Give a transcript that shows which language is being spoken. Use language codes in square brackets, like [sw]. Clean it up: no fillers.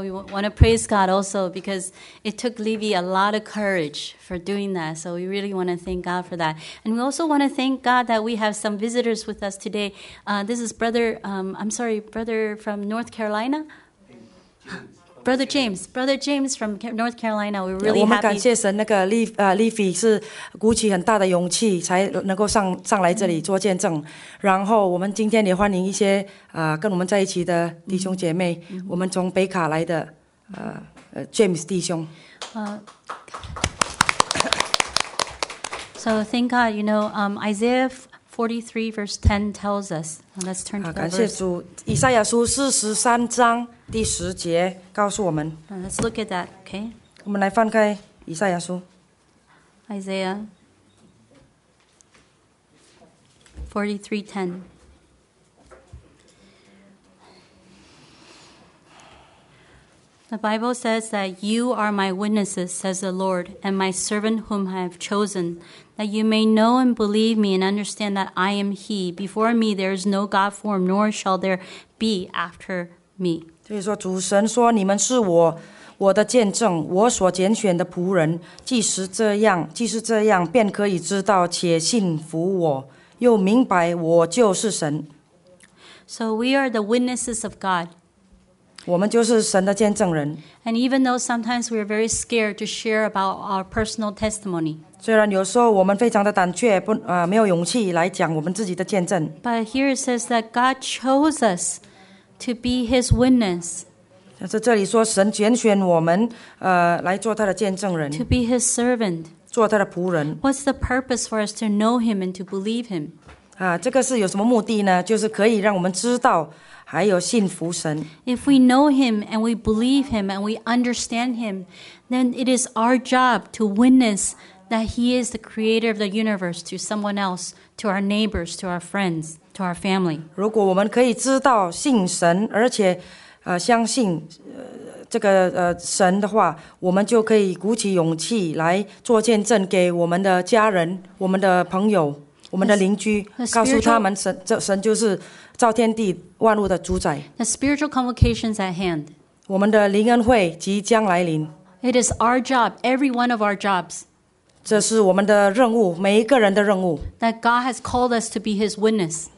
[en] We want to praise God also because it took Levi a lot of courage for doing that. So we really want to thank God for that. And we also want to thank God that we have some visitors with us today. This is brother from North Carolina. Brother James from North Carolina, we're really happy. [zh] 我们感谢神，那个Levi 是鼓起很大的勇气，才能够上来这里做见证。然后我们今天也欢迎一些跟我们在一起的弟兄姐妹。我们从北卡来的James 弟兄。 [en] So thank God, you know, Isaiah 43 verse 10 tells us. Let's turn to the verse. [zh] 感谢主，以赛亚书四十三章。第十节告诉我们。 [en] Let's look at that, okay? [zh] 我们来翻开以赛亚书。 [en] Isaiah 43:10. The Bible says that you are my witnesses, says the Lord, and my servant whom I have chosen, that you may know and believe me and understand that I am He. Before me there is no God form, nor shall there be after me. [zh] 所以说，主神说：“你们是我的见证，我所拣选的仆人。即使这样，便可以知道且信服我，又明白我就是神。” [en] So we are the witnesses of God. [zh] 我们就是神的见证人。 [en] And even though sometimes we are very scared to share about our personal testimony. [zh] 虽然有时候我们非常的胆怯，没有勇气来讲我们自己的见证。 [en] But here it says that God chose us. To be His witness. [zh] 但是这里说神拣选我们，来做他的见证人。 [en] To be His servant. [zh] 做他的仆人。 [en] What's the purpose for us to know Him and to believe Him? [zh] 这个是有什么目的呢？就是可以让我们知道，还有信服神。 [en] If we know Him and we believe Him and we understand Him, then it is our job to witness that He is the Creator of the universe to someone else, to our neighbors, to our friends. To our family. [zh] 如果我们可以知道信神，而且相信这个神的话，我们就可以鼓起勇气来做见证给我们的家人、我们的朋友、我们的邻居，告诉他们神就是造天地万物的主宰。 [en] The spiritual convocation's at hand. [zh] 我们的灵恩会即将来临。 [en] It is our job, every one of our jobs. [zh] 这是我们的任务，每一个人的任务。 [en] That God has called us to be His witness.